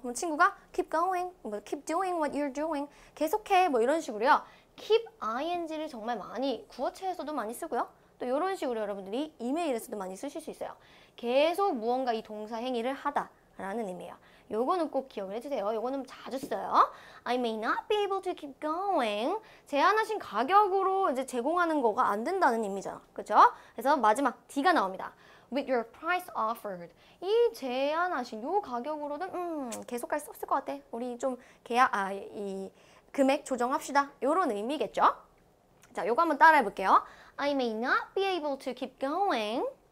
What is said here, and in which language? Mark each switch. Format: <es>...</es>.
<ko>그럼 친구가</ko> <en>keep going,</en> <ko>뭐</ko> <en>keep doing what you're doing,</en> <ko>계속해 뭐 이런 식으로요. keep ing를 정말 많이 구어체에서도 많이 쓰고요. 또 이런 식으로 여러분들이 이메일에서도 많이 쓰실 수 있어요. 계속 무언가 이 동사 행위를 하다라는 의미예요. 요거는 꼭 기억을 해주세요. 요거는 자주 써요.</ko> <en>I may not be able to keep going.</en> <ko>제안하신 가격으로 이제 제공하는 거가 안 된다는 의미잖아. 그쵸? 그래서 마지막 D가 나옵니다.</ko> <en>With your price offered.</en> <ko>이 제안하신 요 가격으로는 계속할 수 없을 것 같아. 우리 좀 계약, 이 금액 조정합시다. 요런 의미겠죠? 자, 요거 한번 따라 해볼게요.</ko> <en>I may not be able to keep going.</en>